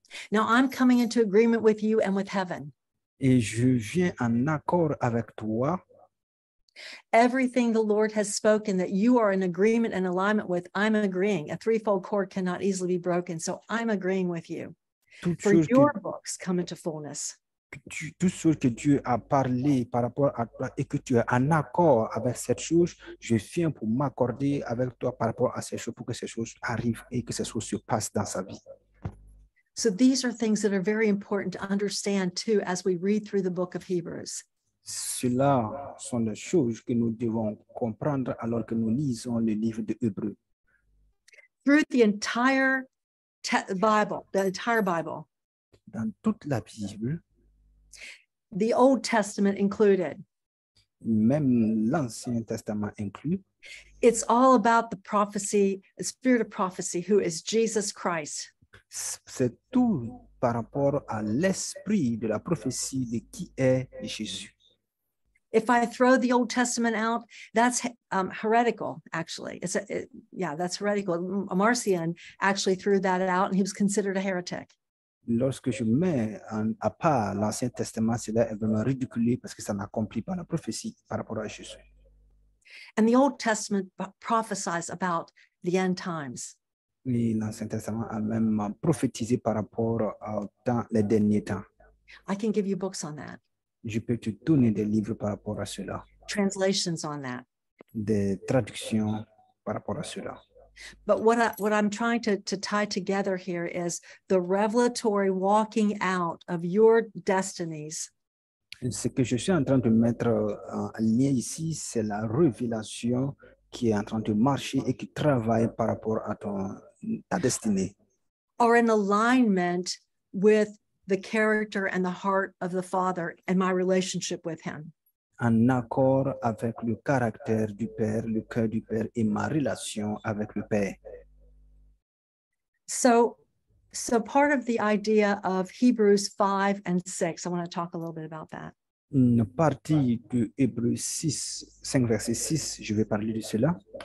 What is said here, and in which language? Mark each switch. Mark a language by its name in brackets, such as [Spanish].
[English] Now I'm coming into agreement with you and with heaven. [French] Et je viens en accord avec toi. [English] Everything the Lord has spoken that you are in agreement and alignment with, I'm agreeing. A threefold cord cannot easily be broken, so I'm agreeing with you. For your books come into fullness. [French] Tout ce que Dieu a parlé par rapport à toi et que tu es en accord avec cette chose, je viens pour m'accorder avec toi par rapport à ces choses, pour que ces choses arrivent et que ces choses se passent dans sa vie. [English] So these are things that are very important to understand too as we read through the book of Hebrews. [French] Cela sont les choses que nous devons comprendre alors que nous lisons le livre de Hébreux. [English] Through the entire Bible, the entire Bible. [French] Dans toute la Bible. [English] The Old Testament included. [French] Même l'Ancien Testament inclus. [English] It's all about the prophecy, the spirit of prophecy, who is Jesus Christ. [French] C'est tout par rapport à l'esprit de la prophétie de qui est Jésus. [English] If I throw the Old Testament out, that's heretical, actually. That's heretical. Marcion actually threw that out, and he was considered a heretic. [French] Lorsque je mets à part l'Ancien Testament, cela est vraiment ridicule parce que ça n'accomplit pas la prophétie par rapport à Jésus. [English] And the Old Testament prophesies about the end times. [French] Et l'Ancien Testament a même prophétisé par rapport au temps, les derniers temps. [English] I can give you books on that. [French] Je peux te donner des livres par rapport à cela. [English] Translations on that. [French] Des traductions par rapport à cela. [English] But what I'm trying to tie together here is the revelatory walking out of your destinies. [French] Ce que je suis en train de mettre en lien ici, c'est la révélation qui est en train de marcher et qui travaille par rapport à ta destinée. [English] Or in alignment with the character and the heart of the Father and my relationship with him. [French] En accord avec le caractère du Père, le cœur du Père et ma relation avec le Père. [English] So part of the idea of Hebrews 5 and 6, I want to talk a little bit about that. [French] Une partie de Hébreux 6, 5 verset 6, je vais parler de cela.